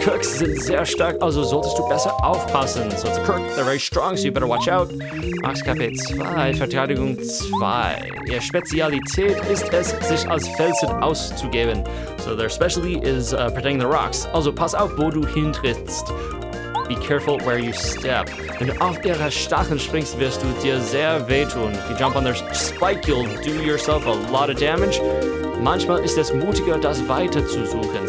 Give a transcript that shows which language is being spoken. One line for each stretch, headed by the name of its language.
German: Kirks sind sehr stark, also solltest du besser aufpassen.
English: So it's a Kirk, they're very strong, so you better watch out.
German: Max KP 2, Verteidigung 2. Ihr Spezialität ist es, sich als Felsen auszugeben.
English: So their specialty is protecting the rocks.
German: Also pass auf, wo du hintrittst.
English: Be careful where you step.
German: Wenn du auf ihre Stacheln springst, wirst du dir sehr wehtun.
English: If you jump on their spike, you'll do yourself a lot of damage.
German: Manchmal ist es mutiger, das weiter zu suchen.